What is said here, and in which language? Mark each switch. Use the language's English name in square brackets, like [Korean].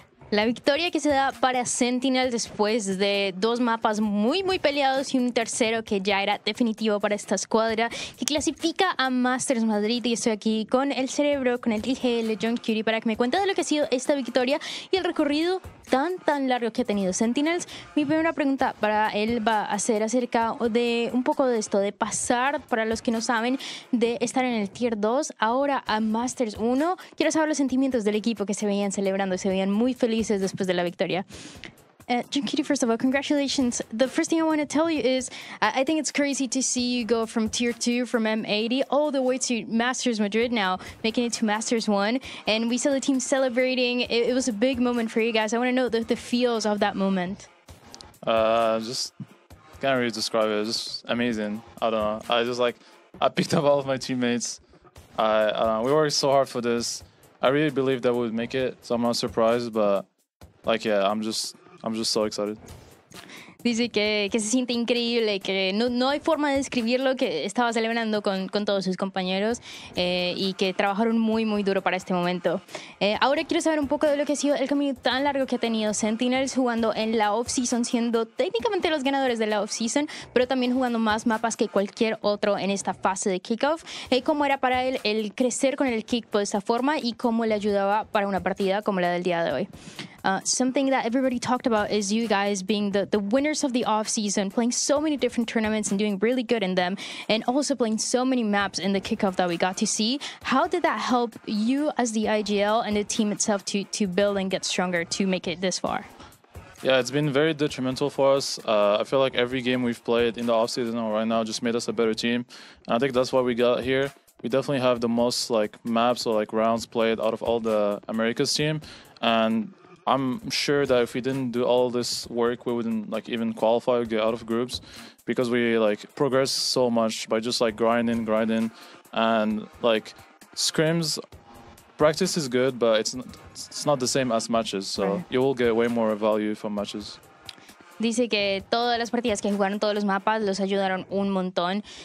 [Spanish] La victoria que se da para Sentinel después de dos mapas muy, muy peleados y un tercero que ya era definitivo para esta escuadra, que clasifica a Masters Madrid. Y estoy aquí con el cerebro, con el IGL, John Curie, para que me cuente de lo que ha sido esta victoria y el recorrido tan, tan largo que ha tenido Sentinels. Mi primera pregunta para él va a ser acerca de un poco de esto, de pasar, para los que no saben, de estar en el Tier 2 ahora a Masters 1. Quiero saber los sentimientos del equipo que se veían celebrando, se veían muy felices después de la victoria. [English] John Kitty, first of all, congratulations. The first thing I want to tell you is I think it's crazy to see you go from Tier 2 from M80 all the way to Masters Madrid now, making it to Masters 1. And we saw the team celebrating. It was a big moment for you guys. I want to know the feels of that moment. Just can't really describe it. It's just amazing. I don't know. I picked up all of my teammates. I don't know. We worked so hard for this. I really believed that we would make it, so I'm not surprised, but I'm just so excited. [Spanish] Dice que se siente increíble, que no hay forma de describirlo, que estaba celebrando con todos sus compañeros y que trabajaron muy, muy duro para este momento. Ahora quiero saber un poco de lo que ha sido el camino tan largo que ha tenido Sentinels jugando en la off-season, siendo técnicamente los ganadores de la off-season, pero también jugando más mapas que cualquier otro en esta fase de kickoff. ¿Cómo era para él el crecer con el kickoff de esta forma y cómo le ayudaba para una partida como la del día de hoy? [English] Something that everybody talked about is you guys being the winners of the offseason, playing so many different tournaments and doing really good in them, and also playing so many maps in the kickoff that we got to see. How did that help you as the IGL and the team itself to build and get stronger to make it this far? Yeah, it's been very detrimental for us. I feel like every game we've played in the offseason or right now just made us a better team. And I think that's why we got here. we definitely have the most like maps or like rounds played out of all the America's team, and I'm sure that if we didn't do all this work, we wouldn't like even qualify or get out of groups, because we like progress so much by just like grinding, and like scrims. Practice is good, but it's not the same as matches. So you will get way more value from matches. [Spanish] Dice que todas las partidas que jugaron, todos los mapas, los ayudaron un montón.